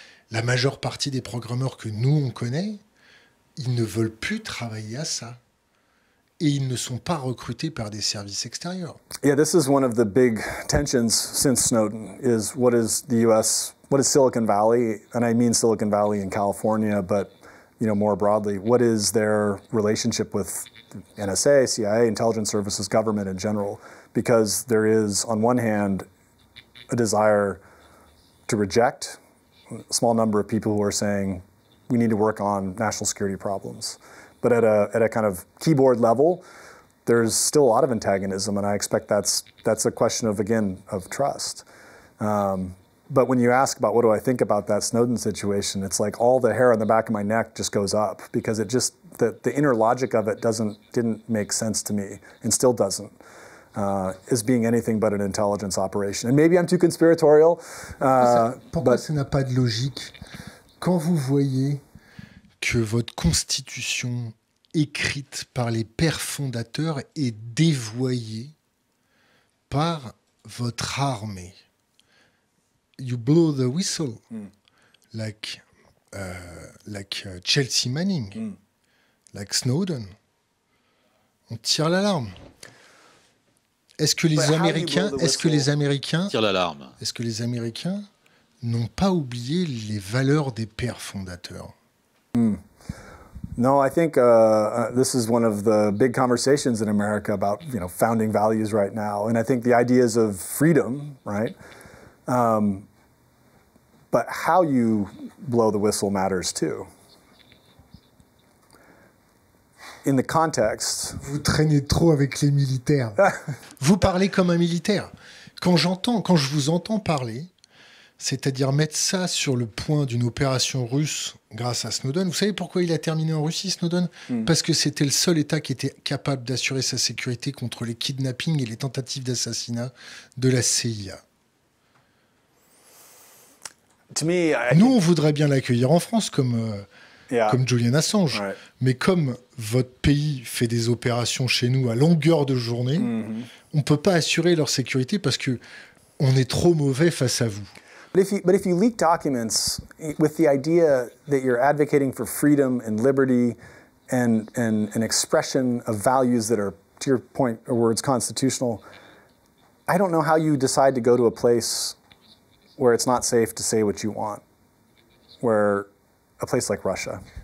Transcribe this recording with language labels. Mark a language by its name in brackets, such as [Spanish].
[French] La majeure partie des programmeurs que nous on connaît, ils ne veulent plus travailler à ça. Et ils ne sont pas recrutés par des services extérieurs. [English] Yeah, this is one of the big tensions since Snowden is what is the US, what is Silicon Valley, and I mean Silicon Valley in California, but you know, more broadly, what is their relationship with NSA, CIA, intelligence services, government in general? Because there is, on one hand, a desire to reject a small number of people who are saying we need to work on national security problems. But at a kind of keyboard level, there's still a lot of antagonism, and I expect that's a question of, again, of trust. But when you ask about what do I think about that Snowden situation, it's like all the hair on the back of my neck just goes up, because it just, the inner logic of it didn't make sense to me, and still doesn't, as being anything but an intelligence operation. And maybe I'm too conspiratorial. [French] Pourquoi ça n'a pas de logique quand vous voyez que votre constitution écrite par les pères fondateurs est dévoyée par votre armée? [English] You blow the whistle, like Chelsea Manning, like Snowden. [French] On tire l'alarme. Est-ce que les Américains, est-ce que les Américains n'ont pas oublié les valeurs des pères fondateurs? [English] No, I think this is one of the big conversations in America about, you know, founding values right now. And I think the ideas of freedom, right? But how you blow the whistle matters too. In the context... [French] Vous traînez trop avec les militaires. Vous parlez comme un militaire. quand je vous entends parler, c'est-à-dire mettre ça sur le point d'une opération russe grâce à Snowden, vous savez pourquoi il a terminé en Russie, Snowden ? Parce que c'était le seul État qui était capable d'assurer sa sécurité contre les kidnappings et les tentatives d'assassinat de la CIA. Nous, on voudrait bien l'accueillir en France comme, comme Julian Assange. [English] Right. [French] Mais comme votre pays fait des opérations chez nous à longueur de journée, on ne peut pas assurer leur sécurité parce qu'on est trop mauvais face à vous. [English] But if you leak documents with the idea that you're advocating for freedom and liberty and an expression of values that are, to your point or words, constitutional, I don't know how you decide to go to a place where it's not safe to say what you want, where a place like Russia.